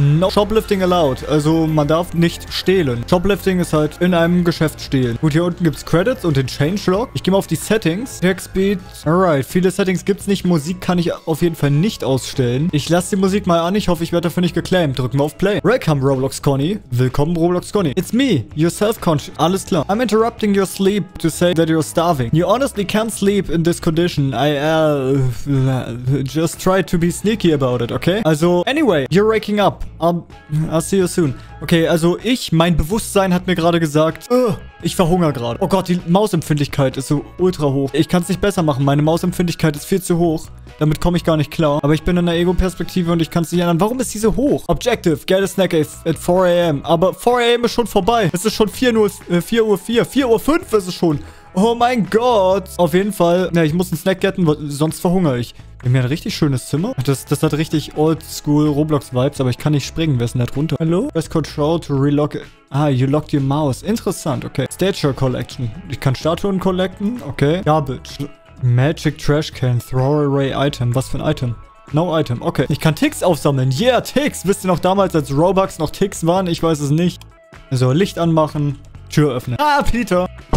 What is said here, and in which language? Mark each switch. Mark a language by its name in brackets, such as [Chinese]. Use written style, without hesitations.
[English] No Shoplifting allowed, [German] also man darf nicht stehlen. Shoplifting ist halt in einem Geschäft stehlen. Gut, hier unten gibt's Credits und den Changelog. Ich gehe mal auf die Settings. Tech Speed, alright, viele Settings gibt's nicht. Musik kann ich auf jeden Fall nicht ausstellen. Ich lasse die Musik mal an, ich hoffe, ich werde dafür nicht geclaimed. Drücken wir auf Play. [English] Welcome Roblox Conny. [German] Willkommen Roblox Conny. [English] It's me, your self-conscious. [German] Alles klar. [English] I'm interrupting your sleep to say that you're starving. You honestly can't sleep in this condition. I just try to be sneaky about it, okay? Also, anyway, you're waking up. I'll see you soon. [German] Okay, also ich, mein Bewusstsein hat mir gerade gesagt, ich verhungere gerade. Oh Gott, die Mausempfindlichkeit ist so ultra hoch. Ich kann es nicht besser machen. Meine Mausempfindlichkeit ist viel zu hoch. Damit komme ich gar nicht klar. Aber ich bin in der Ego-Perspektive und ich kann es nicht ändern. Warum ist diese hoch? [English] Objective, get a snack at 4 AM. [German] Aber 4 AM ist schon vorbei. Es ist schon 4 Uhr 5 ist es schon. Oh mein Gott. Auf jeden Fall. Ja, ich muss einen Snack getten, sonst verhungere ich. Wir haben ein richtig schönes Zimmer. Das hat richtig oldschool Roblox-Vibes, aber ich kann nicht springen. Wer ist denn da drunter? Hallo? [English] Press Control to relock it. Ah, you locked your mouse. [German] Interessant, okay. Statue Collection. Ich kann Statuen collecten, okay. [English] Garbage. Magic Trash Can Throw Away Item. [German] Was für ein Item? [English] No Item, okay. [German] Ich kann Ticks aufsammeln. Yeah, Ticks. Wisst ihr noch damals, als Robux noch Ticks waren? Ich weiß es nicht. So, Licht anmachen. Tür öffnen. Ah, Peter.